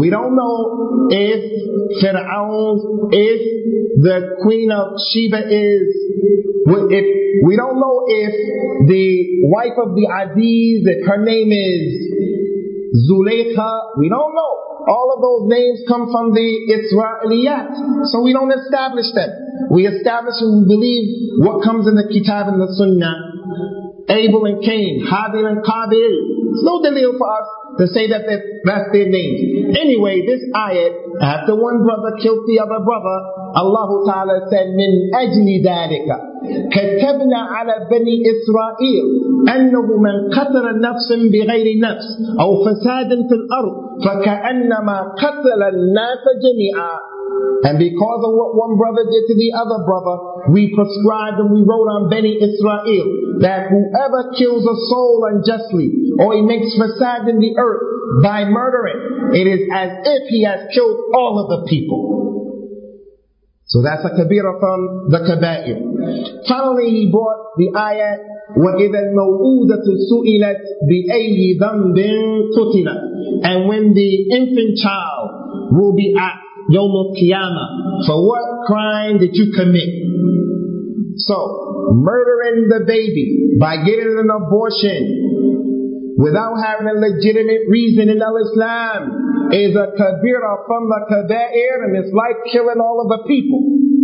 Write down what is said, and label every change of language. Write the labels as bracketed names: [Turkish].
[English] We don't know if Fir'aun's, if the queen of Sheba is, if we don't know if the wife of the Aziz, if her name is Zuleika, we don't know. All of those names come from the Israeliyat. So we don't establish them. We establish and we believe what comes in the Kitab and the Sunnah. Abel and Cain, Habil and Qabil. It's no delil for us to say that that's their names. Anyway, this ayat, after one brother killed the other brother, Allah Ta'ala said, [Arabic] مِنْ أَجْلِ ذَلِكَ كَتَبْنَا عَلَى بَنِي إِسْرَائِيلَ أَنَّهُ مَنْ قَتَلَ نَفْسٍ بِغَيْرِ نَفْسٍ أَوْ فَسَادٍ فِي الْأَرْضِ فَكَأَنَّمَا قَتَلَ النَّاسَ جَمِيعًا. [English] And because of what one brother did to the other brother, we prescribed and we wrote on Bani Israel that whoever kills a soul unjustly or he makes fasad in the earth by murdering, it is as if he has killed all of the people. So that's a kabira from the kaba'ir. Finally, he brought the ayat, [Arabic] وَإِذَا الْمَوْءُودَةُ سُئِلَتْ بِأَيِّ ذَنْبٍ قُتِلَتْ. [English] And when the infant child will be asked, [Arabic] يوم القيامة, [English] for what crime did you commit? So, murdering the baby by getting an abortion without having a legitimate reason in Al-Islam is a kabira from the kaba'ir, and it's like killing all of the people.